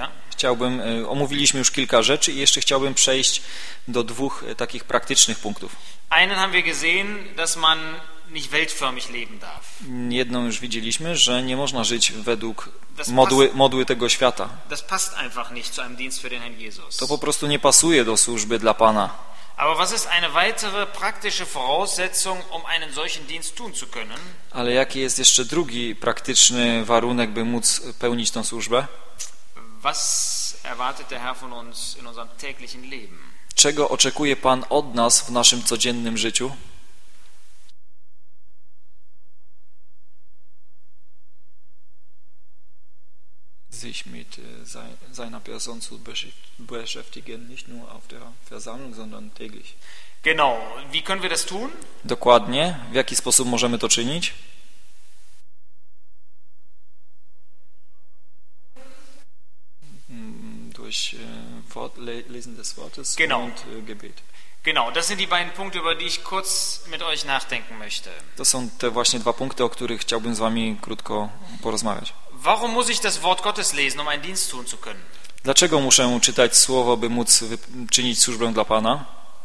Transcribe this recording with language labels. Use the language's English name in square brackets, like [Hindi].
[Polish] Chciałbym, omówiliśmy już kilka rzeczy i jeszcze chciałbym przejść do dwóch takich praktycznych punktów. [German] Einen haben wir gesehen, dass man nicht weltförmig leben darf. [Polish] Jedną już widzieliśmy, że nie można żyć według modły tego świata. [German] Das passt einfach nicht zu einem Dienst für den Herrn Jesus. [Polish] To po prostu nie pasuje do służby dla Pana. [German] Aber was ist eine weitere praktische Voraussetzung, um einen solchen Dienst tun zu können? [Polish] Ale jaki jest jeszcze drugi praktyczny warunek, by móc pełnić tę służbę? [German] Was erwartet der Herr von uns in unserem täglichen Leben? [Polish] Czego oczekuje Pan od nas w naszym codziennym życiu? [German] Sich mit seiner Person zu beschäftigen, nicht nur auf der Versammlung, sondern täglich. Genau. Wie können wir das tun? [Polish] Dokładnie. W jaki sposób możemy to czynić? [German] Durch Lesen des Wortes genau. Und Gebet. Genau. Das sind die beiden Punkte, über die ich kurz mit euch nachdenken möchte. [Polish] To są te właśnie dwa punkty, o których chciałbym z wami krótko porozmawiać. [German] Warum muss ich das Wort Gottes lesen, um einen Dienst tun zu können? [Polish] Dlaczego muszę czytać słowo, by móc czynić służbę dla Pana?